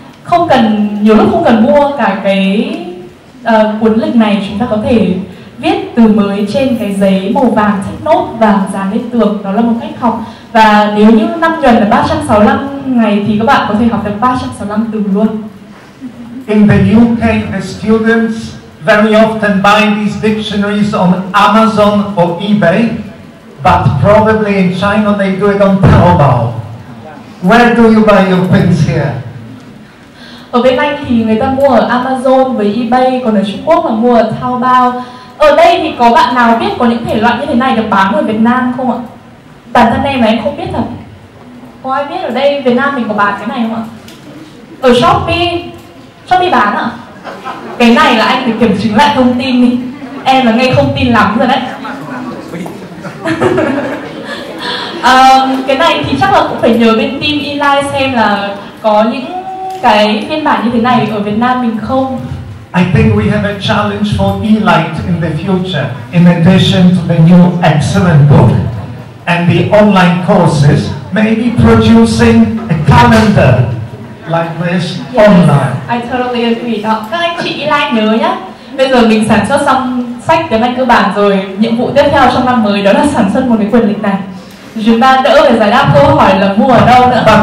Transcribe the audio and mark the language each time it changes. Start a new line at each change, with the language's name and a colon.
Vietnamese: Không cần, nhiều lúc không cần mua cả cái cuốn lịch này, chúng ta có thể viết từ mới trên cái giấy màu vàng check note và dán lên tường. Đó là một cách học. Và nếu như năm nhuận là 365 ngày thì các bạn có thể học được 365 từ luôn.
English: In the UK, the students very often buy these dictionaries on Amazon or eBay, but probably in China they do it on Taobao. Where do you buy your things here?
Vietnamese: Ở bên Anh thì người ta mua ở Amazon với eBay, còn ở Trung Quốc là mua ở Taobao. Ở đây thì có bạn nào biết có những thể loại như thế này được bán ở Việt Nam không ạ? Bản thân em mà em không biết thật. Có ai biết ở đây Việt Nam mình có bán cái này không ạ? Ở Shopee. Shopee bán ạ? Cái này là anh phải kiểm chứng lại thông tin đi. Em là nghe không tin lắm rồi đấy. Cái này thì chắc là cũng phải nhờ bên team E-Line xem là có những cái phiên bản như thế này ở Việt Nam mình không.
English: I think we have a challenge for E-Light in the future, in addition to the new excellent book and the online courses, maybe producing a calendar like this. Yes, online. I totally agree. Đó.
Vietnamese: Các anh chị E-Light nhớ nhé. Bây giờ mình sản xuất xong sách tiếng Anh cơ bản rồi, nhiệm vụ tiếp theo trong năm mới đó là sản xuất một cái quyển lịch này. chúng ta đỡ phải giải đáp câu hỏi là mua ở đâu nữa.